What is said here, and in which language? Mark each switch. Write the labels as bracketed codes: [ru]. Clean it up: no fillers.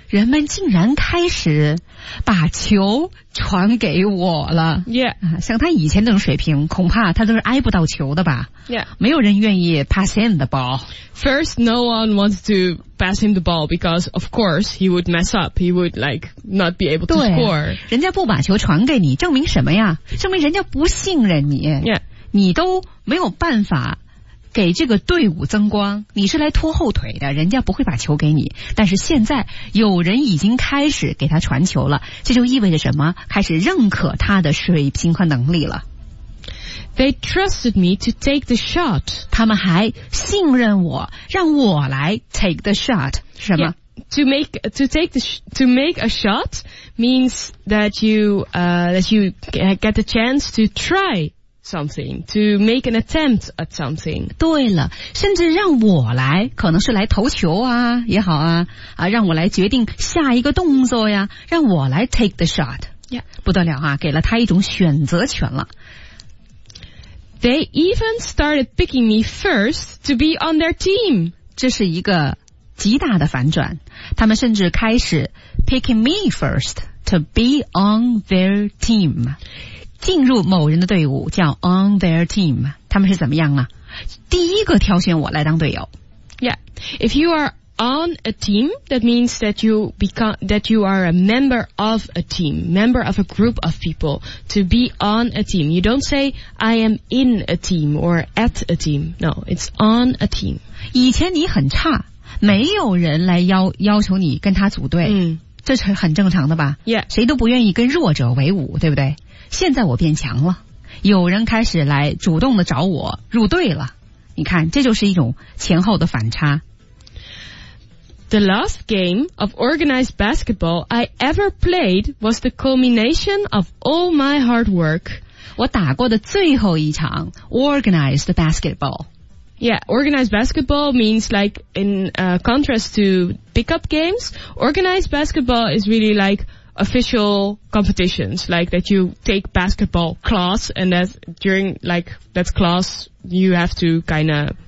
[zh] 人们竟然开始把球传给我了。 [en] Yeah. [zh] 像他以前那种水平恐怕他都是挨不到球的吧。 [en] Yeah. [zh] 没有人愿意 [en] pass him the ball. First, no one wants to pass him the ball because, of course, he would mess up. He would, like, not be able to score. [zh] 人家不把球传给你证明什么呀证明人家不信任你。 [en] Yeah. [zh] 你都没有办法给这个队伍增光你是来拖后腿的人家不会把球给你但是现在有人已经开始给他传球了这就意味着什么开始认可他的水平和能力了 [en] They trusted me to take the shot [zh] 他们还信任我让我来 [en] take the shot [zh] 什么、 [en] To make a shot means that you get the chance to trySomething, to make an attempt at something. [zh] 对了甚至让我来可能是来投球啊也好啊啊让我来决定下一个动作呀让我来 [en] take the shot. Yeah. [zh] 不得了啊给了他一种选择权了。 [en] They even started picking me first to be on their team. [zh] 这是一个极大的反转。他们甚至开始 [en] picking me first to be on their team. [zh] 进入某人的队伍叫 [en] on their team [zh] 他们是怎么样啊第一个挑选我来当队友 [en] Yeah If you are on a team, that means that you become, that you are a member of a team, member of a group of people. To be on a team. You don't say, I am in a team or at a team. No, it's on a team. [zh] 以前你很差，没有人来要求你跟他组队。嗯，这是很正常的吧？ [en] Yeah. [zh] 谁都不愿意跟弱者为伍，对不对？现在我变强了，有人开始来主动的找我入队了。你看，这就是一种前后的反差。 [en] The last game of organized basketball I ever played was the culmination of all my hard work. [zh] 我打过的最后一场 organized basketball. [en] Yeah, organized basketball means like in contrast to pickup games, organized basketball is really like official competitions, like that you take basketball class and that during like that class you have to kind of...